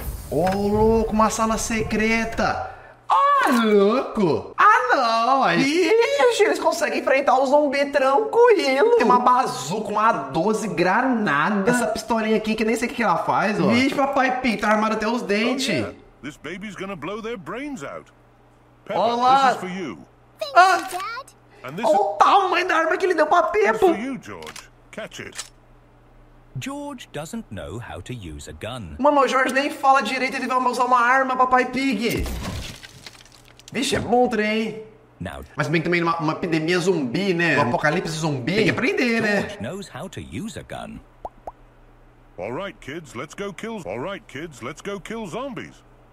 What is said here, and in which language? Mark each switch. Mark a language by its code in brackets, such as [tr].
[pt] Ô, louco, uma sala secreta! Louco! Não, mas... Eles conseguem enfrentar o zumbi tranquilo. Tem uma bazuca, uma 12 granada. Essa pistolinha aqui, que nem sei o que ela faz, ó. Vixe, papai Pig, tá armado até os dentes. [en] Oh, yeah. This baby's gonna blow their brains out. Peppa, olá. This is for you. Thank you, Dad. [pt] Olha o tamanho da arma que ele deu pra Peppa. [en] You, George. Catch it. George doesn't know how to use a gun. [pt] Mano, o George nem fala direito, ele vai usar uma arma, papai Pig. Vixe, é monstro, hein? Now, mas bem que também uma epidemia zumbi, né? Um apocalipse zumbi. Tem que aprender, [en] George, né? Knows how to use a gun. All right, kids, let's go kill. All right, kids, let's go kill zombies.